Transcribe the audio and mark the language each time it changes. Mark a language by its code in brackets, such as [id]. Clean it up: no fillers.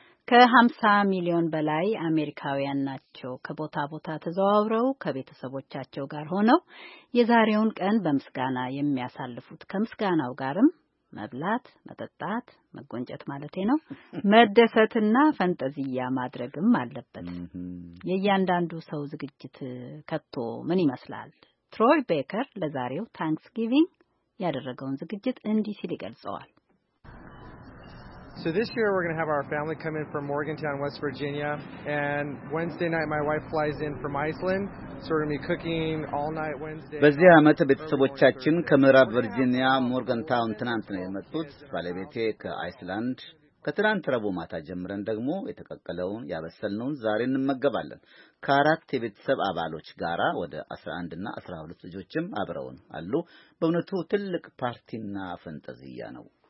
[am] ከ50 ሚሊዮን በላይ አሜሪካውያን ናቸው ከቦታ ቦታ ተዘዋውረው ከቤተሰቦቻቸው ጋር ሆነው የዛሬውን ቀን በምስጋና የሚያሳልፉት። ከምስጋናው ጋርም መብላት፣ መጠጣት፣ መጎንጨት ማለቴ ነው፣ መደሰትና ፈንጠዝያ ማድረግም አለበት። የእያንዳንዱ ሰው ዝግጅት ከቶ ምን ይመስላል? ትሮይ ቤከር ለዛሬው ታንክስጊቪንግ ያደረገውን ዝግጅት እንዲህ ሲል ይገልጸዋል። [en] So this year we're going to have our family come in from Morgantown, West Virginia, and Wednesday night my wife flies in from Iceland, so we're going to be cooking all night Wednesday. [am] በዚህ አመት ቤተሰቦቻችን ከምዕራብ ቨርጂኒያ ሞርጋንታውን ትናንት ነው የመጡት። ባለቤቴ ከአይስላንድ። ከትናንት ረቡዕ ማታ ጀምረን ደግሞ የተቀቀለውን ያበሰልነውን ዛሬ እንመገባለን። ከአራት የቤተሰብ አባሎች ጋራ ወደ 11 እና 12 ልጆችም አብረውን አሉ። በእውነቱ ትልቅ ፓርቲና ፈንጠዝያ ነው።